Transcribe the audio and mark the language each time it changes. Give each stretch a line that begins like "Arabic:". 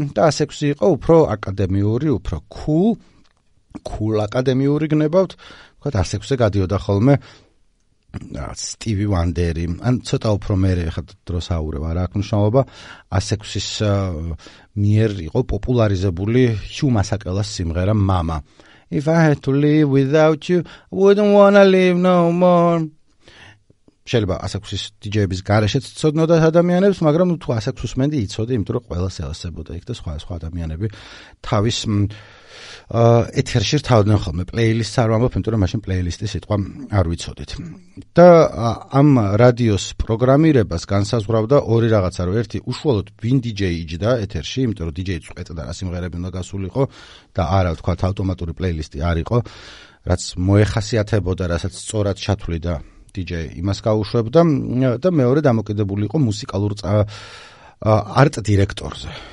Georgian: და 106 იყო უფრო აკადემიური, უფრო cool აკადემიური გნებავთ, თქვათ, 106-ზე გადიოდა ხოლმე სტივი ვანდერი, ან ცოტა უფრო მერე, ხა დროს აურევ, არა აქ მნიშვნელობა. 106-ის მიერ იყო პოპულარიზებული ჰიუ მასაკელას სიმღერა მამა.
English: If I had to live without you, I wouldn't wanna live no more.
Georgian: შეიძლება ასექსის დიჯეების გარეშეც ცოდნოდა ადამიანებს, მაგრამ თუ ასექსს მენდი იცოდი, იმიტომ რომ ყველას ელასებოდა იქ და სხვა ადამიანები თავის ეთერში რთავდნენ ხოლმე. პლეილისტს არ ვამბობ, იმიტომ რომ მაშინ პლეილისტის სიტყვა არ ვიცოდით. და ამ რადიოს პროგრამირებას განსაზღვრავდა ორი რაღაცა, რომ ერთი უშუალოდ ვინ დიჯეი იჯდა ეთერში, იმიტომ რომ დიჯეი წვეტდა რა სიმღერები უნდა გასულიყო და არა ვთქვათ ავტომატური პლეილისტი არისო, რაც მოეხასიათებოდა, რასაც სწორად ჩათვლიდა DJ იმას გაუშვებდა და მეორე დამოკიდებული იყო მუსიკალურ არტ დირექტორზე.